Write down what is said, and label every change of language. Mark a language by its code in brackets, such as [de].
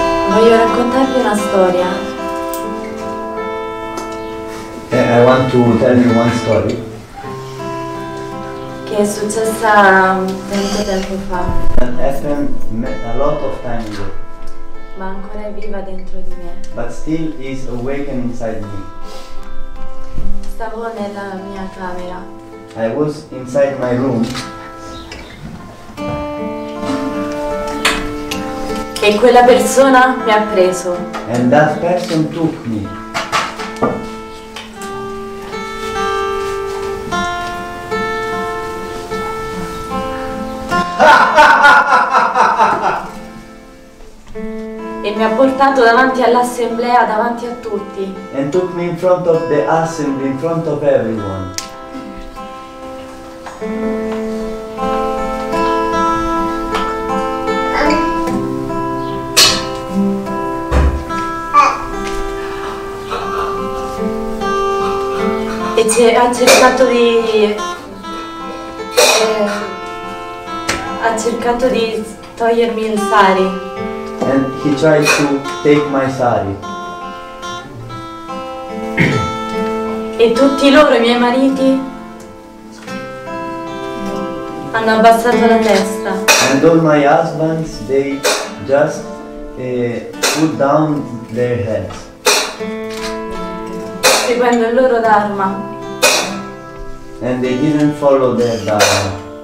[it] Voglio raccontarvi una storia. [en] I want to tell you one story. [it] Che è successa tanto tempo fa. [en] That happened a lot of time ago. [it] Ma ancora è viva dentro di me. [en] But still is awakened inside me. [it] Stavo nella mia camera. [en] I was inside my room. [it] E quella persona mi ha preso. [en] And that person took me. [it] E mi ha portato davanti all'assemblea, davanti a tutti. [en] And took me in front of the assembly, in front of everyone. [it] E ha cercato di... ha cercato di togliermi il sari. [en] And he tried to take my sari. [it] E tutti loro, i miei mariti, hanno abbassato la testa. [en] And all my husbands, they just put down their heads. [it] Seguendo il loro dharma. [en] And they didn't follow their dharma.